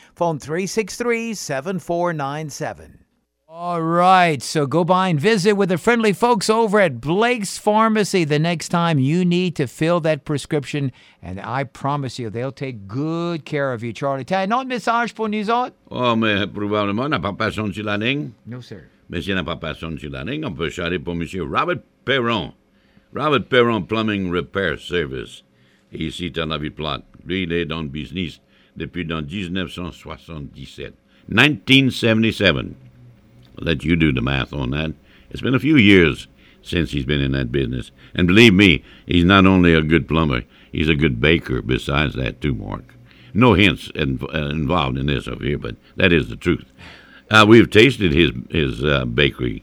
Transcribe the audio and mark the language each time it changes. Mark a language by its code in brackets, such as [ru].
[en] Phone 363-7497. All right, so go by and visit with the friendly folks over at Blake's Pharmacy the next time you need to fill that prescription, and I promise you, they'll take good care of you, Charlie. [fr] T'as un autre message pour nous autres? Oh, mais probablement, on n'a pas personne sur la ligne. [en] No, sir. [fr] Mais si on n'a pas personne sur la ligne, on peut charger pour Monsieur Robert Perron. Robert Perron Plumbing Repair Service, ici, à la Villeplatte. Lui, il est dans le business depuis dans 1977. [en] Let you do the math on that. It's been a few years since he's been in that business. And believe me, he's not only a good plumber, he's a good baker besides that too, Mark. No hints involved in this over here, but that is the truth. We've tasted his bakery.